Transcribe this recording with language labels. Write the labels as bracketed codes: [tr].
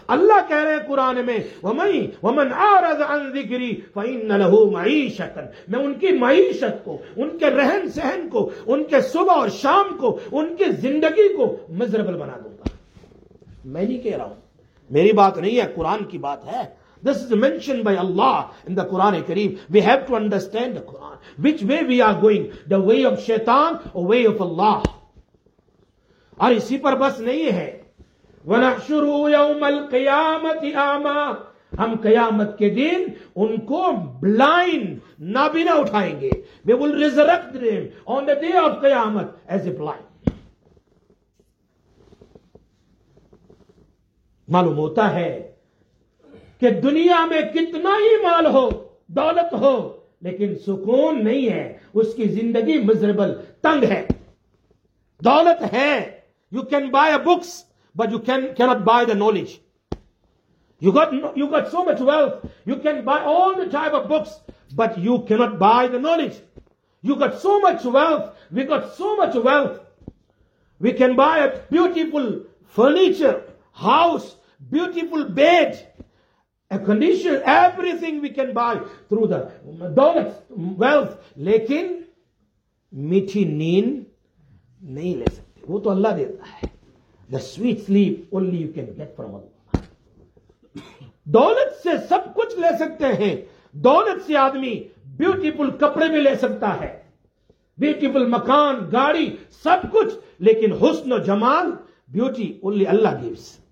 [ur] Allah keh rahe hai Quran mein, [ar] wa man arad an فَإِنَّ لَهُ مَعِيشَةً. [ur] میں ان کی معیشت کو، ان کے رہن سہن کو، ان کے صبح اور شام کو، ان کی زندگی کو مزربل بنا دوں گا. میں نہیں کہہ رہا ہوں، میری بات نہیں ہے، قرآن کی بات ہے. [en] This is mentioned by Allah in the Quran Kareem. We have to understand the Quran. Which way we are going? The way of shaitan or way of Allah? [ur] اور اسی پر بس نہیں ہے. [ar] وَنَحْشُرُوا يَوْمَ الْقِيَامَةِ أَعْمَى. [ur] ہم قیامت کے دن ان کو بلائنڈ نابینا اٹھائیں گے. [en] We will resurrect them on the day of Qayamat as a blind. [ur] معلوم ہوتا ہے کہ دنیا میں کتنا ہی مال ہو، دولت ہو، لیکن سکون نہیں ہے، اس کی زندگی مزربل تنگ ہے. دولت ہے، [en] you can buy a books but you cannot buy the knowledge. You got so much wealth. You can buy all the type of books, but you cannot buy the knowledge. You got so much wealth. We got so much wealth. We can buy a beautiful furniture, house, beautiful bed, a condition, everything we can buy through the dollars, wealth. [ur] Lekin meethi neend nahi le sakte. Wo to Allah deta hai. [en] The sweet sleep only you can get from Allah. [ur] دولت سے سب کچھ لے سکتے ہیں، دولت سے آدمی beautiful کپڑے بھی لے سکتا ہے، بیوٹیفل مکان، گاڑی، سب کچھ، لیکن حسن و جمال، [en] Beauty only Allah gives.